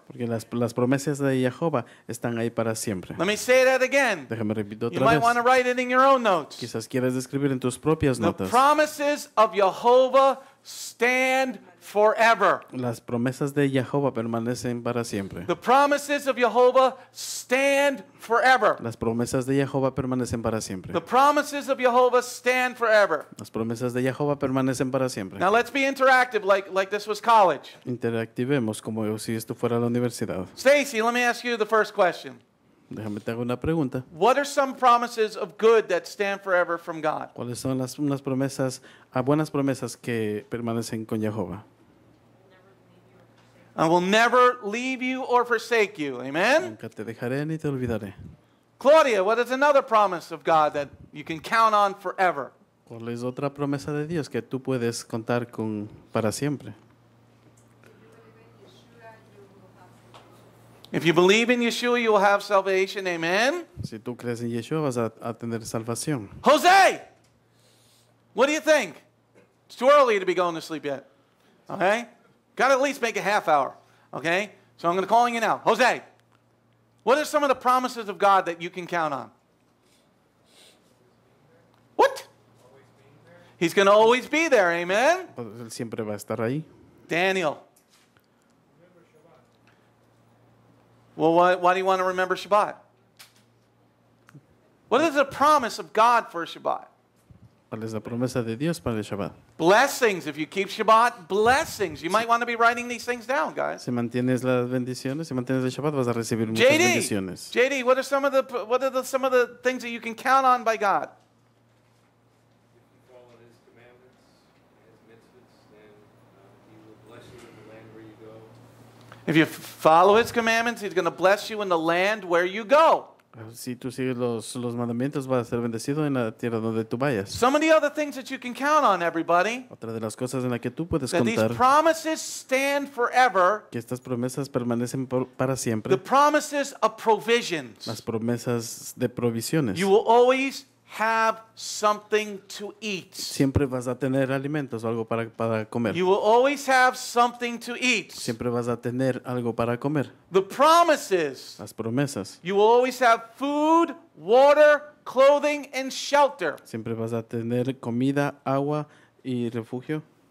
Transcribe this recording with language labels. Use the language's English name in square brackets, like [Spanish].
[Spanish] Porque las promesas de Jehová están ahí para siempre. [English] Let me say that again. [Spanish] Déjame repito otra vez. [English] You might want to write it in your own notes. [Spanish] Quizás quieras escribir en tus propias notas. [English] The promises of Jehovah stand forever. [Spanish] Las promesas de Jehová permanecen para siempre. [English] The promises of Jehovah stand forever. [Spanish] Las promesas de Jehová permanecen para siempre. [English] The promises of Jehovah stand forever. [Spanish] Las promesas de Jehová permanecen para siempre. [English] Now let's be interactive, like this was college. [Spanish] Interactivemos como si esto fuera la universidad. [English] Stacy, let me ask you the first question. [Spanish] Déjame te hago una pregunta. [English] What are some promises of good that stand forever from God? [Spanish] ¿Cuáles son las promesas, buenas promesas que permanecen con Jehová? [English] I will never leave you or forsake you. Amen? [Spanish] Nunca te dejaré ni te olvidaré. [English] Claudia, what is another promise of God that you can count on forever? [Spanish] ¿Cuál es otra promesa de Dios que tú puedes contar con para siempre? [English] If you believe in Yeshua, you will have salvation. Amen. [Spanish] Si tú crees en Yeshua, vas a tener salvación. [English] Jose, what do you think? It's too early to be going to sleep yet. Okay? Got to at least make a half hour. Okay? So I'm going to call you now. Jose, what are some of the promises of God that you can count on? What? He's going to always be there. Amen. [Spanish] Él siempre va a estar ahí. [English] Daniel. Well, why do you want to remember Shabbat? What is the promise of God for Shabbat? [Spanish] ¿Cuál es la promesa de Dios para el Shabbat? [English] Blessings, if you keep Shabbat, blessings. You might want to be writing these things down, guys. [Spanish] Si mantienes las bendiciones, si mantienes el Shabbat, vas a recibir muchas bendiciones. [English] JD, what are some of the things that you can count on by God? If you follow his commandments, he's going to bless you in the land where you go. [Spanish] Si tú sigues los mandamientos, vas a ser bendecido en la tierra donde tú vayas. [English] Some of the other things that you can count on, everybody. [Spanish] Otra de las cosas en la que tú puedes contar. [English] That these promises stand forever. [Spanish] Que estas promesas permanecen para siempre. [English] The promises of provisions. [Spanish] Las promesas de provisiones. [English] You will always have something to eat. [Spanish] Siempre vas a tener alimentos o algo para comer. [English] You will always have something to eat. [Spanish] Siempre vas a tener algo para comer. [English] The promises. [Spanish] Las promesas. [English] You will always have food, water, clothing, and shelter. [Spanish] Siempre vas a tener comida, agua y refugio.